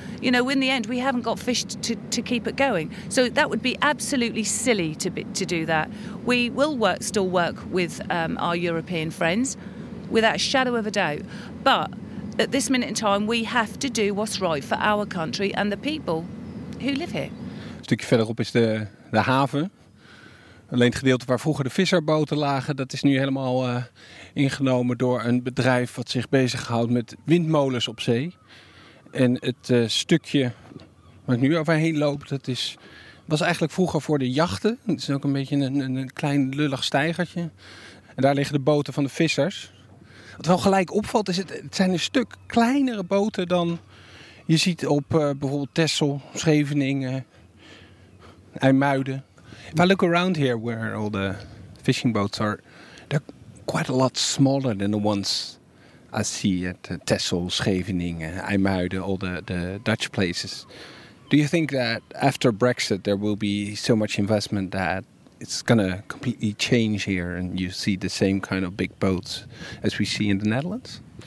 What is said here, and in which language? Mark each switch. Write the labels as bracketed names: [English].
[English] You know, in the end, we haven't got fish to keep it going. So that would be absolutely silly to do that. We will still work with our European friends, without a shadow of a doubt. But at this minute in time, we have to do what's right for our country and the people who live here. [Dutch] Een stukje verderop is de de haven. Alleen het gedeelte waar vroeger de visserboten lagen, dat is nu helemaal ingenomen door een bedrijf wat zich bezighoudt met windmolens op zee. En het stukje waar ik nu overheen loop, dat is, was eigenlijk vroeger voor de jachten. Het is ook een beetje een klein lullig steigertje. En daar liggen de boten van de vissers. Wat wel gelijk opvalt, is het zijn een stuk kleinere boten dan je ziet op bijvoorbeeld Texel, Scheveningen, IJmuiden. [English] If I look around here where all the fishing boats are, they're quite a lot smaller than the ones I see at Texel, Scheveningen, IJmuiden, all the Dutch places. Do you think that after Brexit there will be so much investment that it's going to completely change here and you see the same kind of big boats as we see in the Netherlands?